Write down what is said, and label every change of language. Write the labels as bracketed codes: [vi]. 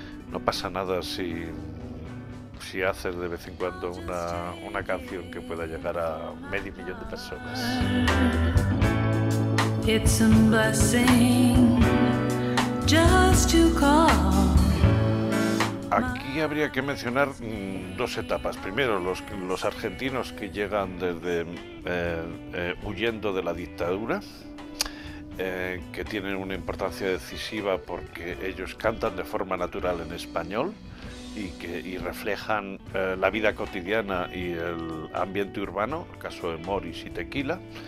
[es] No pasa nada si haces de vez en cuando una canción que pueda llegar a 500.000 de personas. [en] It's a blessing just to call. [es] Aquí habría que mencionar dos etapas. Primero, los argentinos que llegan desde huyendo de la dictadura, que tienen una importancia decisiva porque ellos cantan de forma natural en español y reflejan la vida cotidiana y el ambiente urbano, el caso de Moris y Tequila.